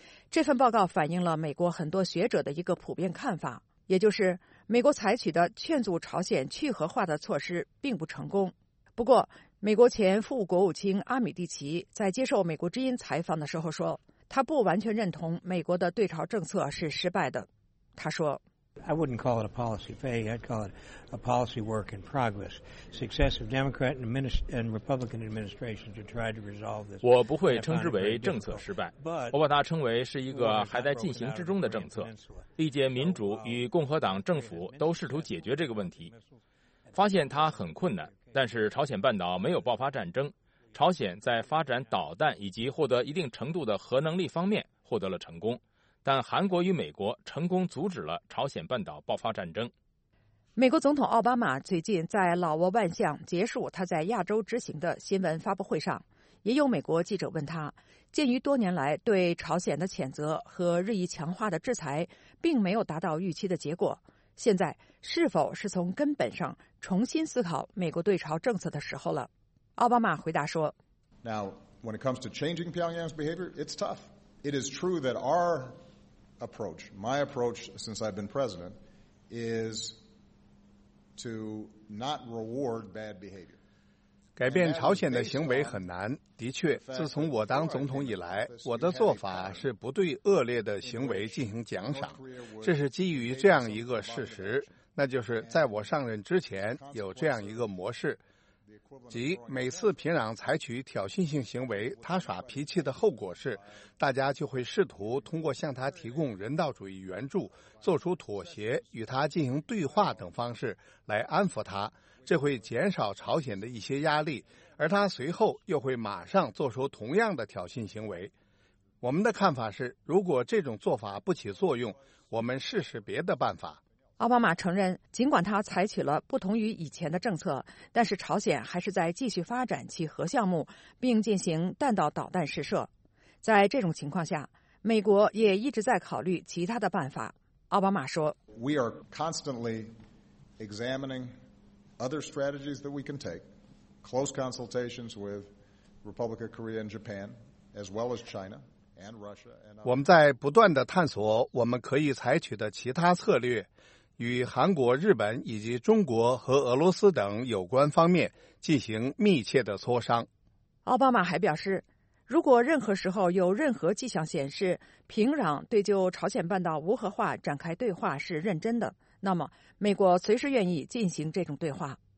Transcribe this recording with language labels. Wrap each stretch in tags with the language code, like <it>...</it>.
<zh>这份报告反映了美国很多学者的一个普遍看法，也就是美国采取的劝阻朝鲜去核化的措施并不成功。不过，美国前副国务卿阿米蒂奇在接受美国之音采访的时候说，他不完全认同美国的对朝政策是失败的。他说，</zh> <en>I wouldn't call it a policy failure. I'd call it a policy work in progress. Successive Democrat and Republican administrations have tried to resolve this.</en> <zh>我不会称之为政策失败，我把它称为是一个还在进行之中的政策。历届民主与共和党政府都试图解决这个问题，发现它很困难。但是朝鲜半岛没有爆发战争，朝鲜在发展导弹以及获得一定程度的核能力方面获得了成功。但韩国与美国成功阻止了朝鲜半岛爆发战争。美国总统奥巴马最近在老挝万象结束他在亚洲之行的新闻发布会上，也有美国记者问他，鉴于多年来对朝鲜的谴责和日益强化的制裁并没有达到预期的结果，现在是否是从根本上重新思考美国对朝政策的时候了？奥巴马回答说</zh> <en>Now, when it comes to changing Pyongyang's behavior, it's tough. It is true that our approach, my approach since I've been president, is to not reward bad behavior.</en> <zh>改变朝鲜的行为很难。的确，自从我当总统以来，我的做法是不对恶劣的行为进行奖赏。这是基于这样一个事实，那就是在我上任之前有这样一个模式，即每次平壤采取挑衅性行为，他耍脾气的后果是，大家就会试图通过向他提供人道主义援助、做出妥协、与他进行对话等方式来安抚他，这会减少朝鲜的一些压力，而他随后又会马上做出同样的挑衅行为。我们的看法是，如果这种做法不起作用，我们试试别的办法。奥巴马承认，尽管他采取了不同于以前的政策，但是朝鲜还是在继续发展其核项目，并进行弹道导弹试射。在这种情况下，美国也一直在考虑其他的办法。奥巴马说</zh> <en>We are constantly examining other strategies that we can take, close consultations with Republic of Korea and Japan, as well as China.</en> <zh>我们在不断地探索我们可以采取的其他策略，与韩国、日本以及中国和俄罗斯等有关方面进行密切的磋商。奥巴马还表示，如果任何时候有任何迹象显示平壤对就朝鲜半岛无核化展开对话是认真的，那么美国随时愿意进行这种对话。</zh>